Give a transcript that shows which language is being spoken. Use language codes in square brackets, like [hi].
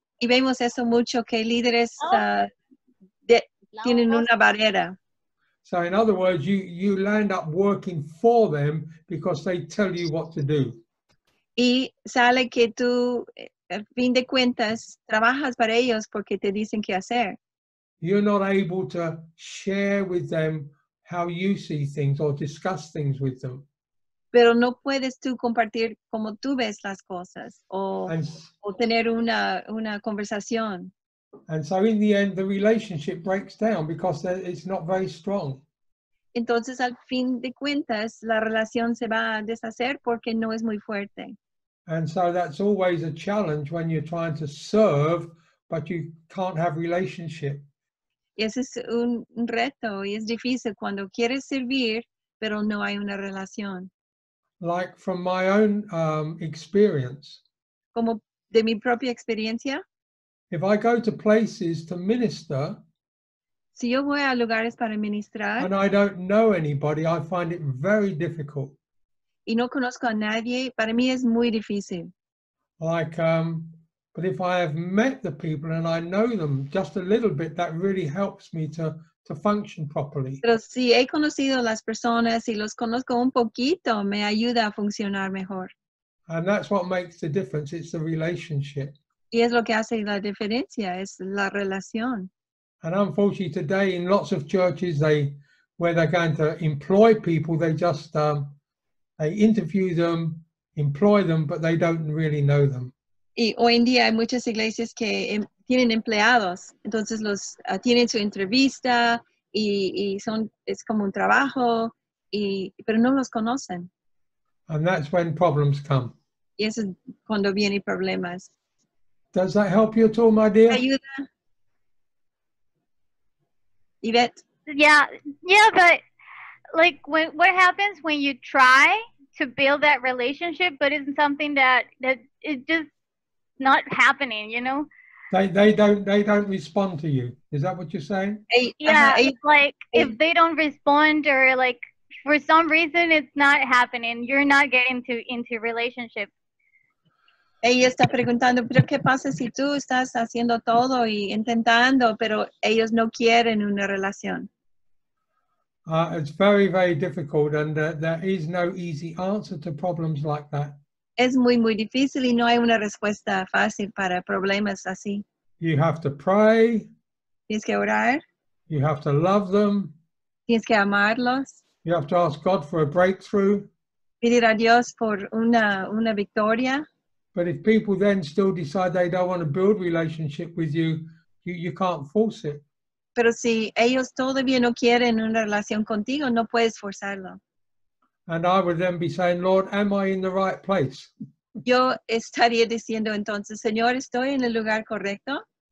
[es] Y vemos eso mucho, que líderes tienen una barrera. [en] So in other words, you land up working for them because they tell you what to do. [es] Y sale que tú, al fin de cuentas, trabajas para ellos porque te dicen qué hacer. [en] You're not able to share with them how you see things or discuss things with them. [es] Pero no puedes tú compartir cómo tú ves las cosas o tener una conversación. [en] And so in the end, the relationship breaks down because it's not very strong. [es] Entonces, al fin de cuentas, la relación se va a deshacer porque no es muy fuerte. [en] And so that's always a challenge when you're trying to serve, but you can't have relationship. [es] Y ese es un reto y es difícil cuando quieres servir, pero no hay una relación. [en] like from my own experience. [es] Como de mi propia experiencia. [en] If I go to places to minister, [es] si yo voy a lugares para ministrar, [en] and I don't know anybody, I find it very difficult. [es] Y no conozco a nadie, para mí es muy difícil. [en] Like, but if I have met the people and I know them just a little bit, that really helps me to function properly. [es] Pero si he conocido las personas y los conozco un poquito, me ayuda a funcionar mejor. [en] And that's what makes the difference, it's the relationship. [es] Y es lo que hace la diferencia, es la relación. [en] And unfortunately today in lots of churches, where they're going to employ people, they just, they interview them, employ them, but they don't really know them. [es] Y hoy en día hay muchas iglesias que tienen empleados. Entonces los tienen su entrevista y son, es como un trabajo, pero no los conocen. [en] And that's when problems come. [es] Y eso es cuando vienen problemas. [en] Does that help you at all, my dear? [es] Ayuda. [en] Yvette? Yeah, but like what happens when you try to build that relationship, but it's something that is just not happening, you know? They don't respond to you. Is that what you're saying? If they don't respond or like for some reason it's not happening, you're not getting into relationship. [es] Ella está preguntando, pero ¿qué pasa si tú estás haciendo todo y intentando, pero ellos no quieren una relación? [en] It's very, very difficult, and there is no easy answer to problems like that. [es] Es muy, muy difícil y no hay una respuesta fácil para problemas así. [en] You have to pray. [es] Tienes que orar. [en] You have to love them. [es] Tienes que amarlos. [en] You have to ask God for a breakthrough. [es] Pedir a Dios por una victoria. [en] But if people then still decide they don't want to build relationship with you, you can't force it. [es] Pero si ellos todavía no quieren una relación contigo, no puedes forzarlo. [en] And I would then be saying, Lord, am I in the right place? [es] Yo estaría diciendo entonces, Señor, ¿estoy en el lugar correcto?